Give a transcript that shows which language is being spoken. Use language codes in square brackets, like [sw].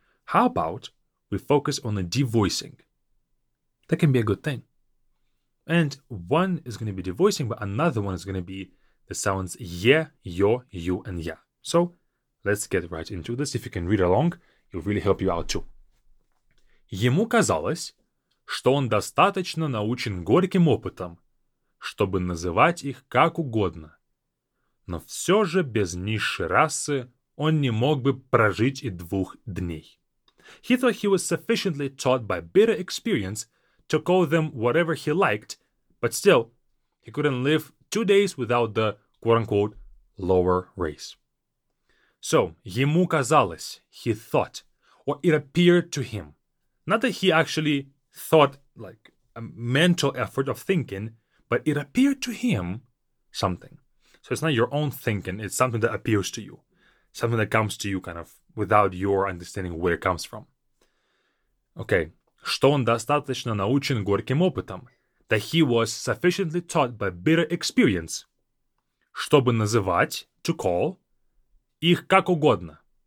[en] How about we focus on the devoicing? That can be a good thing. And one is going to be devoicing, but another one is going to be the sounds ye, yo, you, and ya. So let's get right into this. If you can read along, it'll really help you out too. [ru] Ему казалось, что он достаточно научен горьким опытом, чтобы называть их как угодно. Но все же без низшей расы он не мог бы прожить и двух дней. [en] He thought he was sufficiently taught by bitter experience to call them whatever he liked, but still, he couldn't live 2 days without the quote-unquote lower race. So, [ru] ему казалось, [en] he thought, or it appeared to him. Not that he actually thought, like, a mental effort of thinking, but it appeared to him something. So it's not your own thinking, it's something that appears to you. Something that comes to you kind of without your understanding where it comes from. Okay. [ru] Что он достаточно научен горьким опытом? [en] That he was sufficiently taught by bitter experience. [ru] Чтобы называть, [en] to call, [ru] их как угодно.